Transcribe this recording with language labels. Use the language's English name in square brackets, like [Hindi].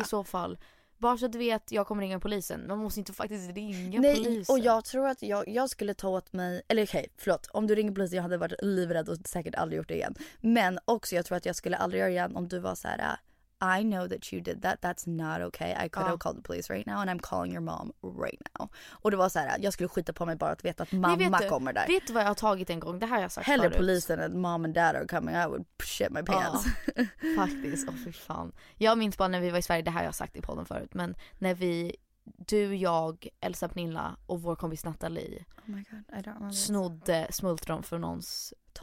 [Swedish] I så fall. Bara så att du vet, jag kommer ringa polisen. Man måste inte faktiskt ringa polisen. Och jag tror att jag skulle ta åt mig, eller förlåt, om du ringer polisen, jag hade varit livrädd och säkert aldrig gjort det igen. Men också, jag tror att jag skulle aldrig göra igen om du var så här, [English] I know that you did that. That's not okay. I could have called the police right now, and I'm calling your mom right now. [Swedish] Och det var så här, jag skulle skita på mig bara att veta att mamma kommer där. Vet du vad jag har tagit en gång? Det här har jag sagt. Hellre polisen att [English] mom and dad are coming. I would shit my pants. [Swedish] Faktiskt, fy fan. Jag minns bara när vi var i Sverige, det här har jag sagt i podden förut, men när vi du, jag, Elsa Pernilla och vår kompis Nathalie snodde smultron från någons